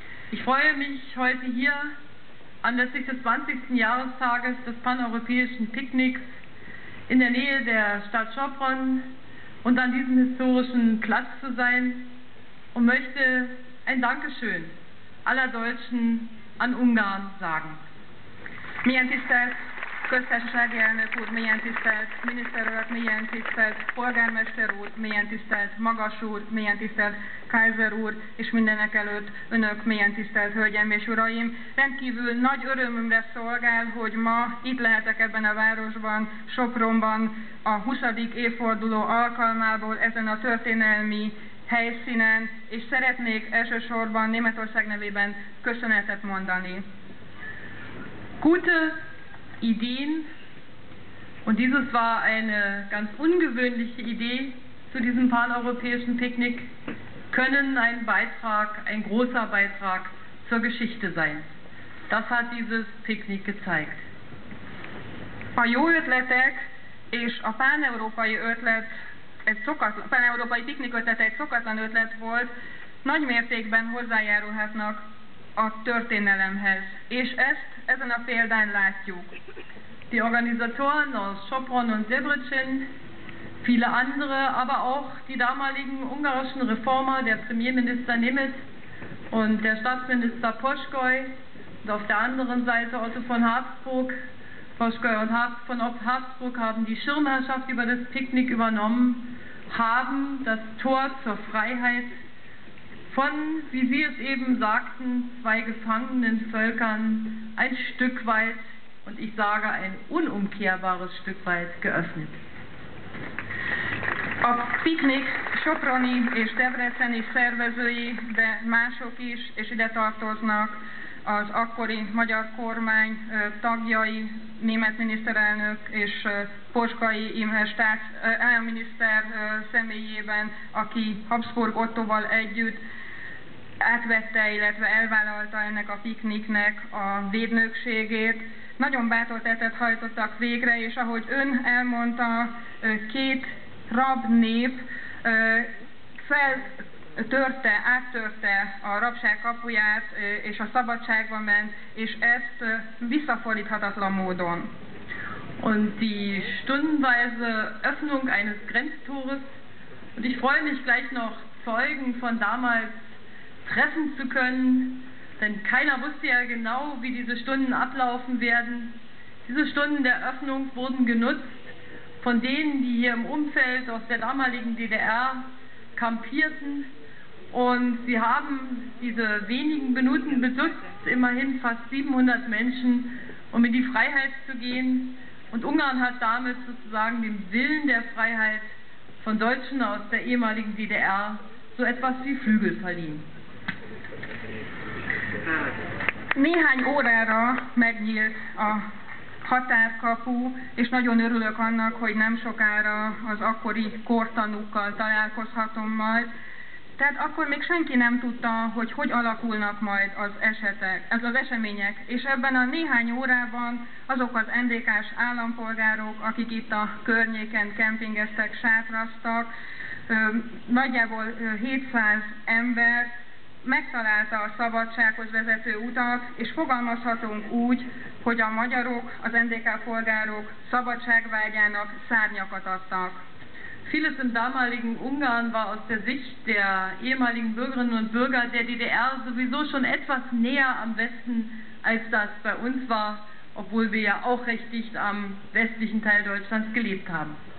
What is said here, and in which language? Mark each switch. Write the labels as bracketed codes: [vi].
[de] Ich freue mich heute hier anlässlich des 20. Jahrestages des paneuropäischen Picknicks in der Nähe der Stadt Schopron und an diesem historischen Platz zu sein und möchte ein Dankeschön aller Deutschen an Ungarn sagen. [hu] Milyen tisztelt köztársasági elnök úr, milyen tisztelt miniszter úr, milyen tisztelt polgármester úr, milyen tisztelt magas úr, milyen tisztelt Kaiser úr, és mindenek előtt önök, milyen tisztelt hölgyeim és uraim. Rendkívül nagy örömömre szolgál, hogy ma itt lehetek ebben a városban, Sopronban, a 20. évforduló alkalmából ezen a történelmi helyszínen, és szeretnék elsősorban Németország nevében köszönetet mondani. [de] Gute Ideen, und dieses war eine ganz ungewöhnliche Idee zu diesem paneuropäischen Picknick, können ein Beitrag, ein großer Beitrag zur Geschichte sein. Das hat dieses Picknick gezeigt. [hu] A jó ötletek és a paneurópai ötlet egy szokatlan, paneurópai piknik ötlete egy szokatlan ötlet volt, nagy mértékben hozzájárulhatnak a történelemhez. És ezt ezen a példán látjuk. [de] Die Organisatoren aus Sopron und Debrecen, viele andere, aber auch die damaligen ungarischen Reformer, der Premierminister Nemeth und der Staatsminister Poskoy und auf der anderen Seite Otto von Habsburg. Poskoy und Habsburg haben die Schirmherrschaft über das Picknick übernommen, haben das Tor zur Freiheit von, wie Sie es eben sagten, zwei gefangenen Völkern ein Stück weit, und ich sage ein unumkehrbares Stück weit, geöffnet. [hu] A Picknick Soproni és Debreceni szervezői, de mások is, és ide tartoznak az akkori magyar kormány tagjai, német miniszterelnök és Poskai Imre miniszter személyében, aki Habsburg Ottóval együtt átvette, illetve elvállalta ennek a pikniknek a védnökségét. Nagyon bátor tettet hajtottak végre, és ahogy ön elmondta, két rab nép feltörte, áttörte a rabság kapuját, és a szabadságba ment, és ezt visszafordíthatatlan módon. [de] Und die stundenweise Öffnung eines Grenztores, und ich freue mich gleich noch Zeugen von damals treffen zu können, denn keiner wusste ja genau, wie diese Stunden ablaufen werden. Diese Stunden der Öffnung wurden genutzt von denen, die hier im Umfeld aus der damaligen DDR kampierten, und sie haben diese wenigen Minuten benutzt, immerhin fast 700 Menschen, um in die Freiheit zu gehen. Und Ungarn hat damit sozusagen dem Willen der Freiheit von Deutschen aus der ehemaligen DDR so etwas wie Flügel verliehen. [hu] Néhány órára megnyílt a határkapu, és nagyon örülök annak, hogy nem sokára az akkori kortanúkkal találkozhatom majd. Tehát akkor még senki nem tudta, hogy hogy alakulnak majd az esetek, ez az események. És ebben a néhány órában azok az NDK-s állampolgárok, akik itt a környéken kempingeztek, sátraztak, nagyjából 700 ember megtalálta a szabadsághoz vezető utat, és fogalmazhatunk úgy, hogy a magyarok, az NDK polgárok szabadságvágyának szárnyakat adtak. [de] Vieles im damaligen Ungarn war aus der Sicht der ehemaligen Bürgerinnen und Bürger der DDR sowieso schon etwas näher am Westen, als das bei uns war, obwohl wir ja auch recht dicht am westlichen Teil Deutschlands gelebt haben.